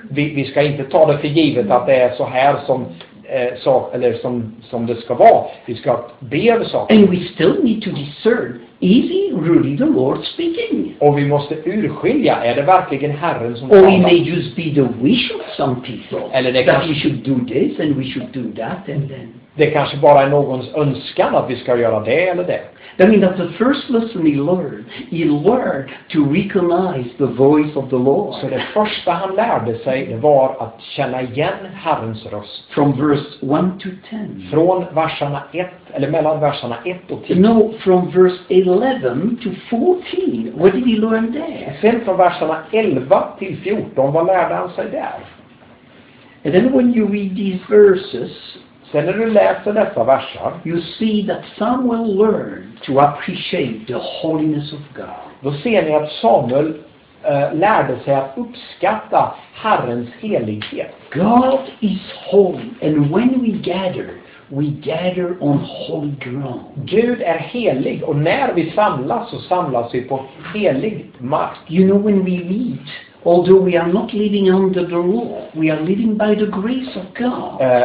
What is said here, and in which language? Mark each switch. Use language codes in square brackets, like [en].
[sv] Vi ska inte ta det för givet att det är så här som det ska vara. Vi ska be över saker. [en] And we still need to discern, is he really the Lord speaking? [sv] Och vi måste urskilja, är det verkligen Herren som or talar? [en] Or it may just be the wish of some people. [sv] Eller det that kanske, [en] we should do this and we should do that and then. [sv] Det kanske bara är någons önskan att vi ska göra det eller det. [en] I mean, that's the first lesson he learned to recognize the voice of the Lord. [sv] Så det första han lärde sig var att känna igen Herrens röst. [en] From verse 1 to 10. [sv] Från verserna 1, eller mellan verserna 1 och 10. [en] No, from verse 11 to 14. What did he learn there? [sv] Sen från verserna 11 till 14, vad lärde han sig där? [en] And then when you read these verses. [sv] Sen när du läser dessa verser, [en] you see that Samuel learned to appreciate the holiness of God. [sv] Då ser ni att Samuel lärde sig att uppskatta Herrens helighet. [en] God is holy, and when we gather on holy ground. [sv] Gud är helig, och när vi samlas så samlas vi på helig mark. [en] You know, when we meet although we are not living under the law, we are living by the grace of God.